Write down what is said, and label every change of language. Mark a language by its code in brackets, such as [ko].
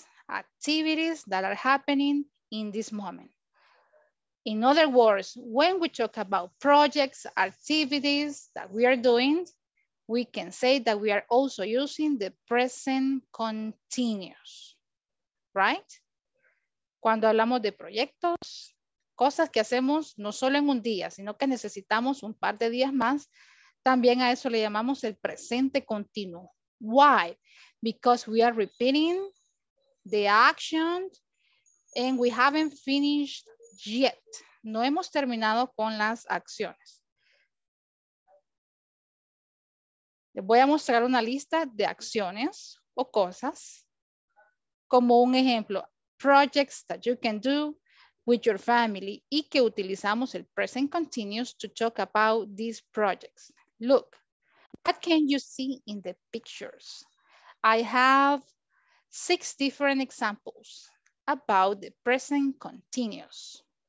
[en] Activities that are happening in this moment. In other words, when we talk about projects, activities that we are doing, we can say that we are also using the present continuous, right? [es] Cuando hablamos de proyectos, cosas que hacemos no solo en un día, sino que necesitamos un par de días más, también a eso le llamamos el presente continuo. [en] Why? Because we are repeating the actions and we haven't finished yet. [es] No hemos terminado con las acciones. Les voy a mostrar una lista de acciones o cosas. Como un ejemplo, [en] projects that you can do with your family, [es] y que utilizamos el [en] present continuous to talk about these projects. Look, what can you see in the pictures? I have 6 different examples about the present continuous.